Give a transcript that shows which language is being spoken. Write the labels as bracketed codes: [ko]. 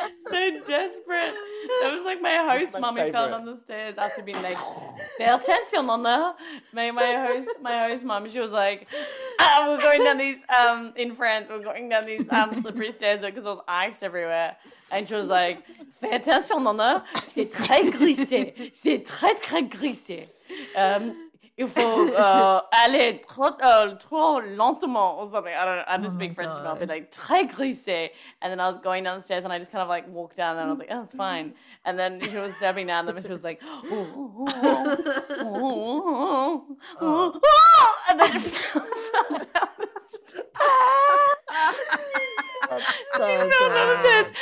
[en] So desperate. That was like my host mommy fell down the stairs after being like, fail tension on my host mom, she was like, we're going down these, in France, we're going down these slippery stairs because there was ice everywhere. [fr] And she was like, fais attention, Nana, c'est très glissé, c'est très, très glissé. Il faut aller trop lentement [en] or something. I don't speak French, but I'll be like, [fr] très glissé. [en] And then I was going down the stairs and I just kind of like walked down and I was like, oh, it's fine. And then she was stepping down them and she was like, oh. And then she fell down the stairs.